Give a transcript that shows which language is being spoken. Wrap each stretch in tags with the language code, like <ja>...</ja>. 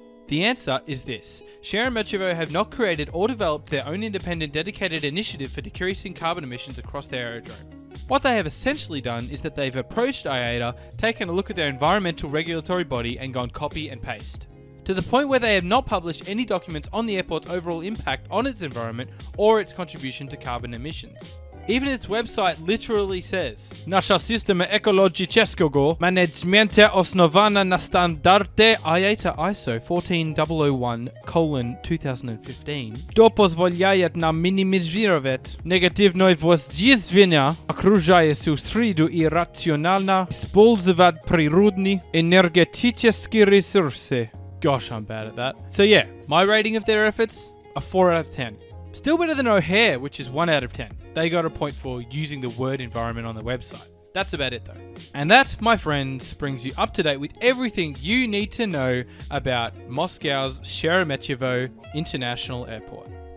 <en>The answer is this. Sheremetyevo have not created or developed their own independent dedicated initiative for decreasing carbon emissions across their aerodrome. What they have essentially done is that they've approached IATA, taken a look at their environmental regulatory body, and gone copy and paste. To the point where they have not published any documents on the airport's overall impact on its environment or its contribution to carbon emissions. Even its website literally says,</en> <ru>"Наша система экологического менеджмента основана на стандарте IATA ISO 14001:2015, что позволяет нам минимизировать негативное воздействие окружающую среду и рационально использовать природные энергетические ресурсы."</ru> <en>Gosh, I'm bad at that. So yeah, my rating of their efforts, a 4 out of 10. Still better than O'Hare, which is 1 out of 10. They got a point for using the word environment on the website. That's about it though. And that, my friends, brings you up to date with everything you need to know about Moscow's Sheremetyevo International Airport.</en>